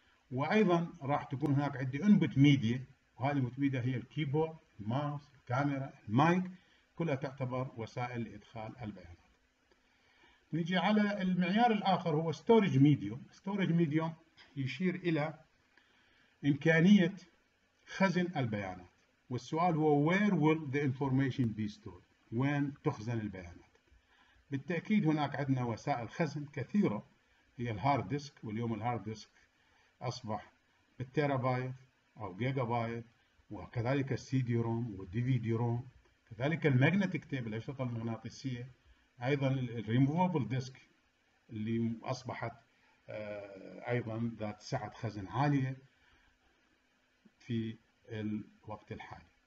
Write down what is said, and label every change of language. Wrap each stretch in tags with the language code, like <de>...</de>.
<ar>وايضا راح تكون هناك عندي انبوت ميديا، وهذه الانبوت ميديا هي الكيبورد، الماوس، الكاميرا، المايك، كلها تعتبر وسائل لادخال البيانات. نيجي على المعيار الاخر هو ستورج ميديوم. ستورج ميديوم يشير الى امكانيه خزن البيانات. والسؤال هو</ar> <en>where will the information be stored،</en> <ar>وين تخزن البيانات. بالتأكيد هناك عندنا وسائل خزن كثيرة، هي الهارد ديسك، واليوم الهارد ديسك أصبح بالتيرابايت أو جيجا بايت، وكذلك السي دي روم والدي في دي روم، كذلك الماجنتيك تيب، الأشرطة المغناطيسية، أيضا الريموفابل ديسك اللي أصبحت أيضا ذات سعة خزن عالية في الوقت الحالي.</ar>